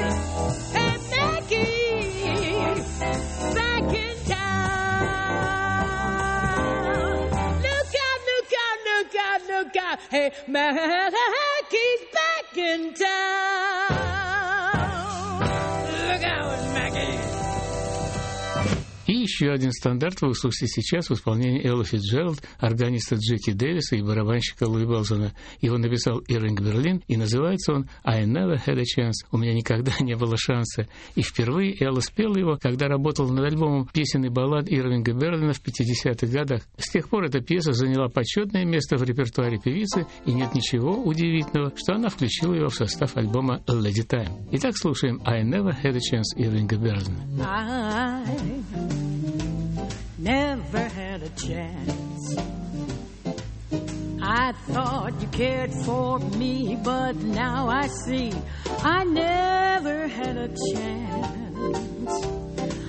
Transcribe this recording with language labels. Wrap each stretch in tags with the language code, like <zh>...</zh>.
<en>Look out, look out, look out, look out. Hey, Maggie's back in town. Look out, Maggie.</en> <ru>И еще один стандарт вы услышите сейчас в исполнении Элла Фицджеральд, органиста Джеки Дэвиса и барабанщика Луи Балзона. Его написал Иринг Берлин, и называется он «I never had a chance». «У меня никогда не было шанса». И впервые Элла спела его, когда работала над альбомом «Песен и баллад» Ирвинга Берлина в 50-х годах. С тех пор эта пьеса заняла почетное место в репертуаре певицы, и нет ничего удивительного, что она включила его в состав альбома «Lady Time». Итак, слушаем «I never had a chance» Ирвинга Берлина.</ru> <en>Never had a chance. I thought you cared for me, but now I see I never had a chance.</en>